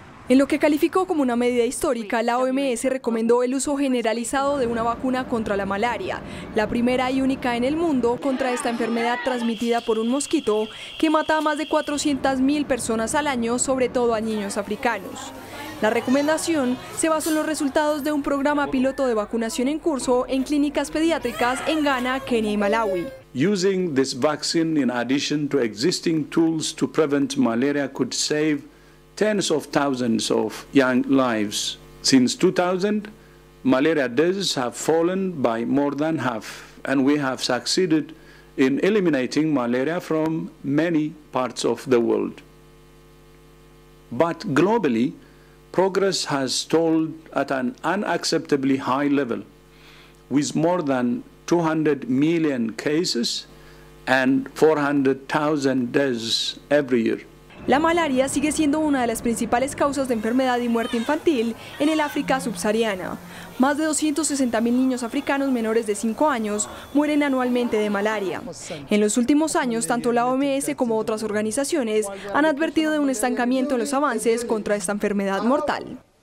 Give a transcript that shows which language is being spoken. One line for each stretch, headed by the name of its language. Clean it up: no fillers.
Spanish: En lo que calificó como una medida histórica, la OMS recomendó el uso generalizado de una vacuna contra la malaria, la primera y única en el mundo contra esta enfermedad transmitida por un mosquito que mata a más de 400.000 personas al año, sobre todo a niños africanos. La recomendación se basó en los resultados de un programa piloto de vacunación en curso en clínicas pediátricas en Ghana, Kenia y Malawi.
English: Using this vaccine in addition to existing tools to prevent malaria could save tens of thousands of young lives. Since 2000, malaria deaths have fallen by more than half, and we have succeeded in eliminating malaria from many parts of the world. But globally, progress has stalled at an unacceptably high level, with more than 200 million cases and 400,000 deaths every year.
Spanish: La malaria sigue siendo una de las principales causas de enfermedad y muerte infantil en el África subsahariana. Más de 260.000 niños africanos menores de 5 años mueren anualmente de malaria. En los últimos años, tanto la OMS como otras organizaciones han advertido de un estancamiento en los avances contra esta enfermedad mortal.